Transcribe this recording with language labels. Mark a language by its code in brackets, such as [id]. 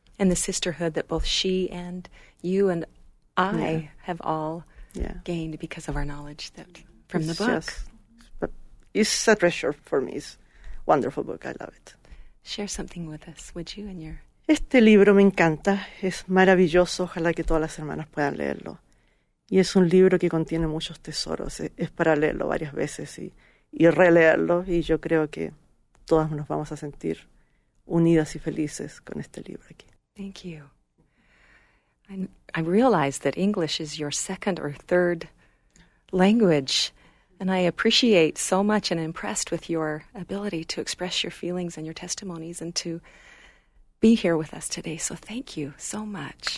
[en] And the sisterhood that both she and you and I have all gained because of our knowledge from the book. It's a treasure for me. It's a wonderful book. I love it. Share something with us, would you? [es] Este libro me encanta. Es maravilloso. Ojalá que todas las hermanas puedan leerlo. Y es un libro que contiene muchos tesoros. Es para leerlo varias veces y releerlo. Y yo creo que todas nos vamos a sentir unidas y felices con este libro aquí. [en] Thank you. I realize that English is your second or third language. And I appreciate so much and impressed with your ability to express your feelings and your testimonies and to be here with us today. So thank you so much.